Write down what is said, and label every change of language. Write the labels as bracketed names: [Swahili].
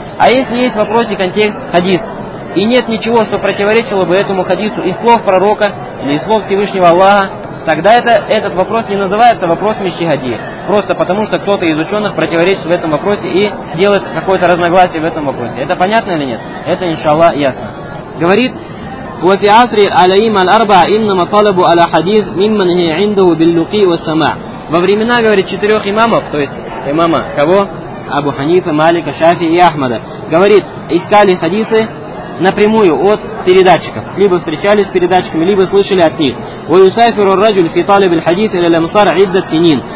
[Russian] А если есть в вопросе контекст хадис, и нет ничего, что противоречило бы этому хадису из слов пророка, или из слов Всевышнего Аллаха, тогда этот вопрос не называется вопросом иштихадия, просто потому что кто-то из ученых противоречит в этом вопросе и делает какое-то разногласие в этом вопросе. Это понятно или нет? Это, иншаллах, ясно. [Arabic] Говорит, وفي عصر الأئمة الأربعة إنما طلبوا على حديث ممن هي عنده باللقي والسماع. [Russian] Во времена, говорит, четырех имамов, то есть имама кого? Абу Ханифы, Малика, Шафи и Ахмада. Говорит, искали хадисы напрямую от передатчиков, либо встречались с передатчиками, либо слышали от них. [Arabic] وَيُسَافِرُ الرَّجُلُ فِي طَالِبِ الْحَدِيثِ إِلَى الْأَمْصَارِ عِدَّةَ سِنِينَ.